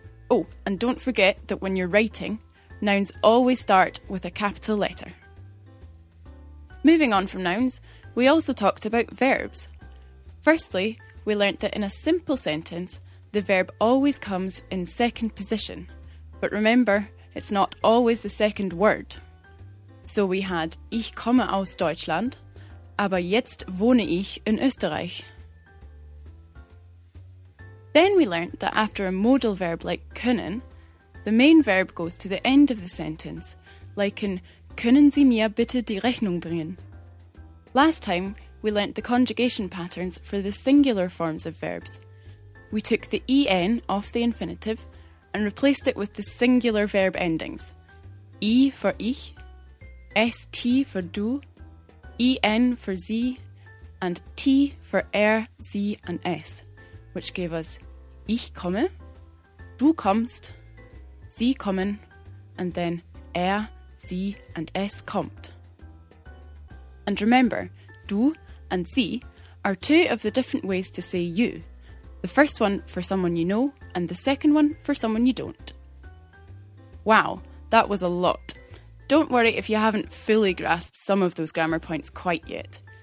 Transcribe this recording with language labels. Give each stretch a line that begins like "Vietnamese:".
English: Oh, and don't forget that when you're writing, nouns always start with a capital letter. Moving on from nouns, we also talked about verbs. Firstly, we learnt that in a simple sentence, the verb always comes in second position. But remember, it's not always the second word. So we had,
German: ich komme aus Deutschland, aber jetzt wohne ich in Österreich.
English: Then we learnt that after a modal verb like können, the main verb goes to the end of the sentence, like in,
German: können Sie mir bitte die Rechnung bringen?
English: Last time, we learnt the conjugation patterns for the singular forms of verbs. We took the en off the infinitive, and replaced it with the singular verb endings. I for ich, st for du, en for sie, and t for sie and s, which gave us
German: ich komme, du kommst, sie kommen,
English: and then sie and s kommt. And remember, du and sie are two of the different ways to say you. The first one for someone you know, and the second one for someone you don't. Wow, that was a lot. Don't worry if you haven't fully grasped some of those grammar points quite yet.